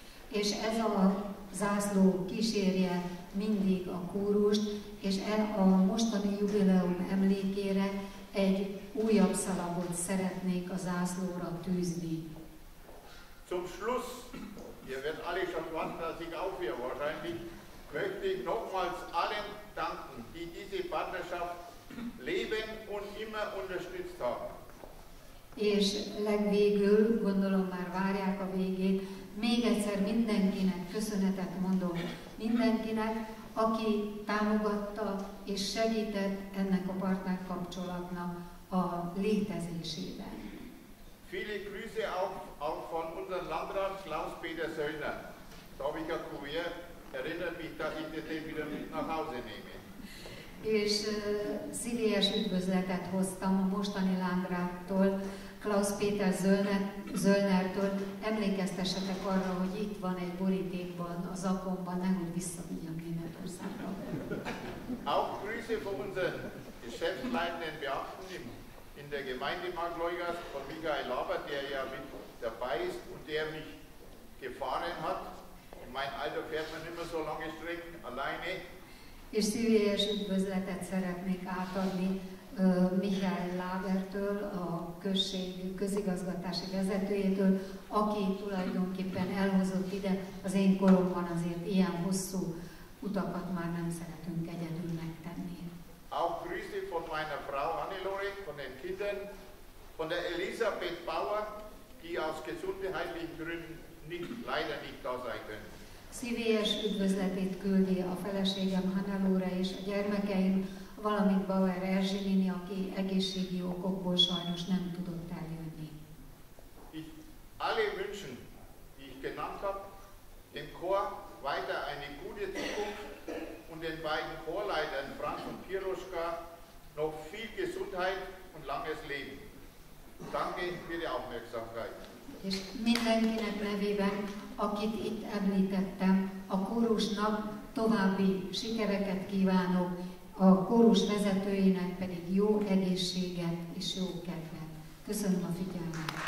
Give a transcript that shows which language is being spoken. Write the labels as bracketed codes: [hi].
[hu] És ez a zászló kísérje mindig a kórust, és a mostani jubileum emlékére egy újabb szalagot szeretnék a zászlóra tűzni. [de] Zum Schluss, ihr werdet alle schon warten, dass ich aufhöre wahrscheinlich, möchte ich nochmals allen danken, die diese Partnerschaft leben und immer unterstützt haben. [hu] És legvégül, gondolom már várják a végét, még egyszer mindenkinek köszönetet mondom, mindenkinek, aki támogatta és segített ennek a partnerkapcsolatnak a létezésében. [de] Viele Grüße auch von unserem Landrat Klaus-Peter Söllner. Da habe ich ein Kuvert, erinnert mich, dass ich den wieder mit nach Hause nehme. [hu] És szívélyes üdvözletet hoztam a mostani Landráttól, Klaus-Peter Söllnertől. Emlékeztessetek arra, hogy itt van egy borítékban, a zakomban, nehogy visszavigyem Németországra. [de] Auch Grüße von unseren Geschäftsleitenden Beamten im in der Gemeinde Markleugast von Michael Laber, der ja mit dabei ist und der mich gefahren hat. In mein Alter fährt man immer so lange Strecken alleine. [hu] És szívélyes üdvözletet szeretnék átadni Michael Labertől, a község közigazgatási vezetőjétől, aki tulajdonképpen elhozott ide. Az én koromban azért ilyen hosszú utakat már nem szeretünk egyedül megtenni. [de] Auch grüße von meiner Frau Hannelore, von den Kindern, von der Elisabeth Bauer, die aus gesundheitlichen Gründen leider nicht da sein können. [hu] Szívélyes üdvözletét küldi a feleségem Hannelore és a gyermekeim, valamint Bauer Erzsini, aki egészségi okokból sajnos nem tudott eljönni. [de] Ich alle wünschen, die ich genannt habe, dem Chor weiter eine gute Zukunft und den beiden Chorleitern Franz und Piroschka noch viel Gesundheit und langes Leben. Danke für die Aufmerksamkeit. [hu] És mindenkinek nevében, akit itt említettem, a kórusnak további sikereket kívánok, a kórus vezetőinek pedig jó egészséget és jó kedvet. Köszönöm a figyelmet!